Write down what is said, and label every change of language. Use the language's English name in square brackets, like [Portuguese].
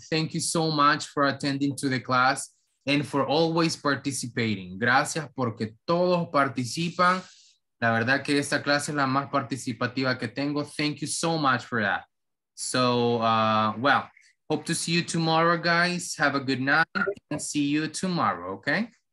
[English] Thank you so much for attending to the class and for always participating. [Spanish] Gracias porque todos participan. La verdad que esta clase es la más participativa que tengo. [English] Thank you so much for that. So, well, hope to see you tomorrow, guys. Have a good night and see you tomorrow, okay?